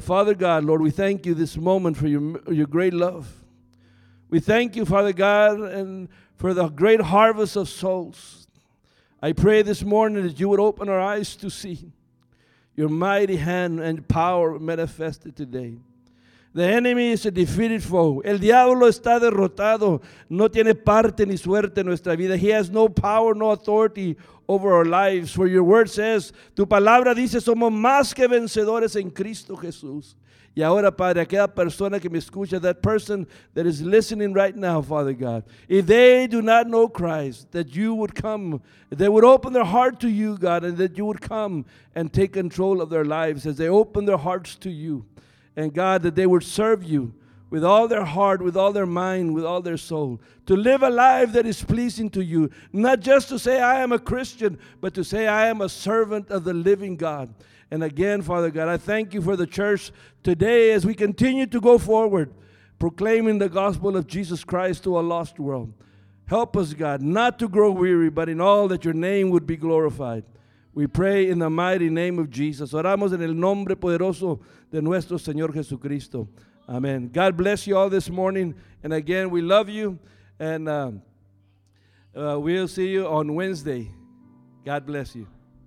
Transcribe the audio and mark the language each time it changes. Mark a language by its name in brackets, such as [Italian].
[English] Father God, Lord, we thank you this moment for your great love. We thank you, Father God, and for the great harvest of souls. I pray this morning that you would open our eyes to see your mighty hand and power manifested today. The enemy is a defeated foe. [Spanish] El diablo está derrotado. No tiene parte ni suerte en nuestra vida. [English] He has no power, no authority over our lives. For your word says, [Spanish] tu palabra dice, somos más que vencedores en Cristo Jesús. Y ahora, Padre, aquella persona que me escucha, [English] that person that is listening right now, Father God, if they do not know Christ, that you would come, they would open their heart to you, God, and that you would come and take control of their lives as they open their hearts to you. And God, that they would serve you with all their heart, with all their mind, with all their soul, to live a life that is pleasing to you, not just to say, "I am a Christian," but to say, "I am a servant of the living God." And again, Father God, I thank you for the church today as we continue to go forward, proclaiming the gospel of Jesus Christ to a lost world. Help us, God, not to grow weary, but in all that your name would be glorified. We pray in the mighty name of Jesus. [Spanish] Oramos en el nombre poderoso de nuestro Señor Jesucristo. [English] Amen. God bless you all this morning. And again, we love you. And we'll see you on Wednesday. God bless you.